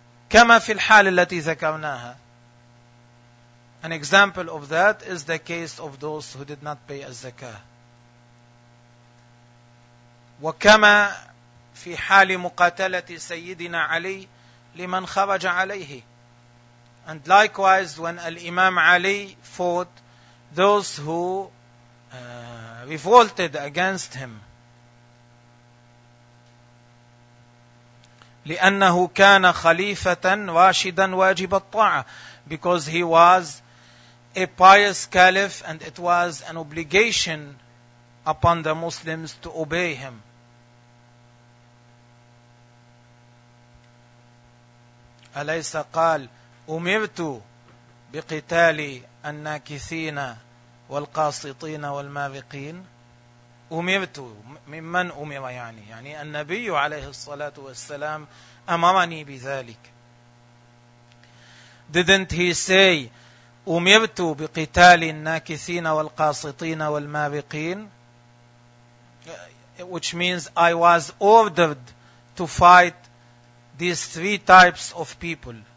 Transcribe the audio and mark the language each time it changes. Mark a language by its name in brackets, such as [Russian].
[Arabic] كما في الحال التي ذكرناها. [English] An example of that is the case of those who did not pay al-zakah. [Arabic] وَكَمَا فِي حَالِ مُقَاتَلَةِ سَيِّدِنَا عَلِي لِمَنْ خَرَجَ عَلَيْهِ. [English] And likewise, when Al-Imam Ali fought those who revolted against him. [Arabic] لِأَنَّهُ كَانَ خَلِيفَةً رَاشِدًا وَاجِبَ الطَّاعَةِ. [English] Because he was a pious caliph, and it was an obligation upon the Muslims to obey him. [Arabic] أليس قال أمرت بقتال الناكثين والقاسطين والمارقين. أمرت ممن أمر يعني النبي عليه الصلاة والسلام أمرني بذلك. [English] Didn't he say [Arabic] أمرت بقتال الناكثين والقاسطين والمارقين, [English] which means I was ordered to fight these three types of people.